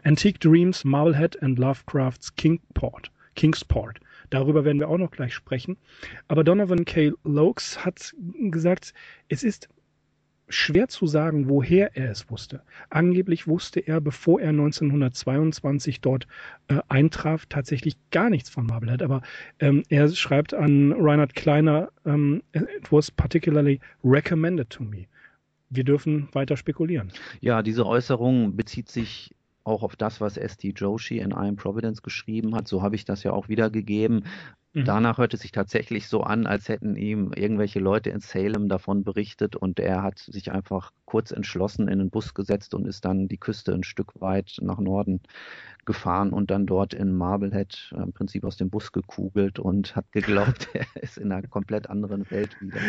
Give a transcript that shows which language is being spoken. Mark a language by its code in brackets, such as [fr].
[en] Antique Dreams, Marblehead and Lovecraft's Kingsport. [de] Darüber werden wir auch noch gleich sprechen. Aber Donovan K. Laux hat gesagt, es ist schwer zu sagen, woher er es wusste. Angeblich wusste er, bevor er 1922 dort eintraf, tatsächlich gar nichts von Marblehead. Aber er schreibt an Reinhard Kleiner, [en] it was particularly recommended to me. [de] wir dürfen weiter spekulieren. Ja, diese Äußerung bezieht sich auch auf das, was S.T. Joshi in I Am Providence geschrieben hat. So habe ich das ja auch wiedergegeben. Danach hörte es sich tatsächlich so an, als hätten ihm irgendwelche Leute in Salem davon berichtet und er hat sich einfach kurz entschlossen in den Bus gesetzt und ist dann die Küste ein Stück weit nach Norden gefahren und dann dort in Marblehead im Prinzip aus dem Bus gekugelt und hat geglaubt, er ist in einer komplett anderen Welt wieder.